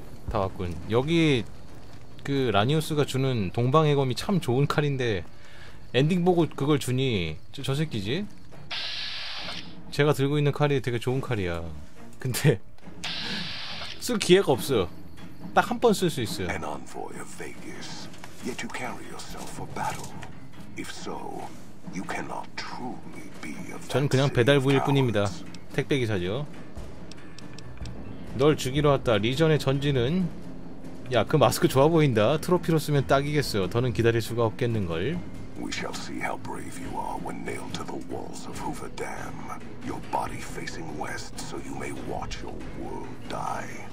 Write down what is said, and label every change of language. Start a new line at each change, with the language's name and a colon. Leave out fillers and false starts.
Korean: 다 왔군. 여기 그 라니우스가 주는 동방의 검이 참 좋은 칼인데 엔딩 보고 그걸 주니 저 새끼지? 제가 들고 있는 칼이 되게 좋은 칼이야. 근데 쓸 기회가 없어. 딱 한 번 쓸 수 있어.
English: An envoy of Vegas, yet you carry yourself for battle. If so, you cannot truly be a vassal.
Korean: 전 그냥 배달부일 뿐입니다. 택배기사죠. 널 죽이러 왔다. 리전의 전진은? 야, 그 마스크 좋아 보인다. 트로피로 쓰면 딱이겠어. 더는 기다릴 수가 없겠는걸.
English: We shall see how brave you are when nailed to the walls of Hoover Dam. Your body facing west so you may watch your world die.